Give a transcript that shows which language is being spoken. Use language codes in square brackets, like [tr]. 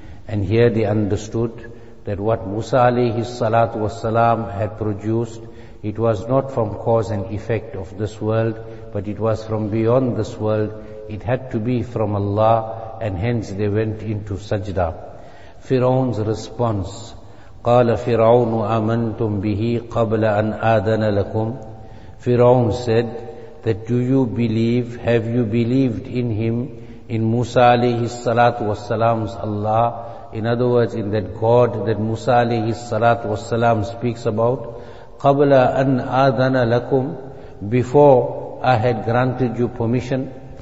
[en] And here they understood that what Musa alayhi salatu wassalam had produced, it was not from cause and effect of this world, but it was from beyond this world. It had to be from Allah, and hence they went into sajda. Fir'aun's response, [ar] قَالَ فِرْعَوْنُ آمَنْتُمْ بِهِ قَبْلَ أَنْ آذَنَ لَكُمْ. [en] Fir'aun said that, do you believe, have you believed in him, in Musa alayhi salatu wassalam's Allah? In other words, in that God that Musa alayhi salatu wassalam speaks about, [ar] qabla an adana lakum, [en] before I had granted you permission.